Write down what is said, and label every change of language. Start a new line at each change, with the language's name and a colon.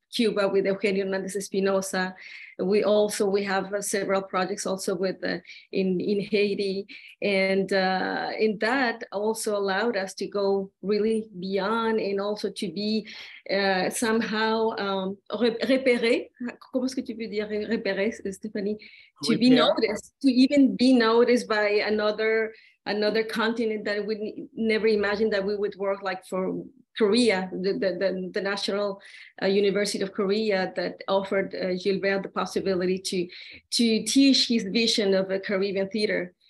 English: Cuba with Eugenio Hernandez Espinosa. We also, we have several projects also with in Haiti. And in that also allowed us to go really beyond and also to be somehow repéré.
French: Comment est-ce que tu peux dire repéré, Stéphanie?
English: To be noticed, to even be noticed by another continent that we never imagined that we would work like for Korea, the National University of Korea that offered Gilbert the possibility to teach his vision of a Caribbean theater.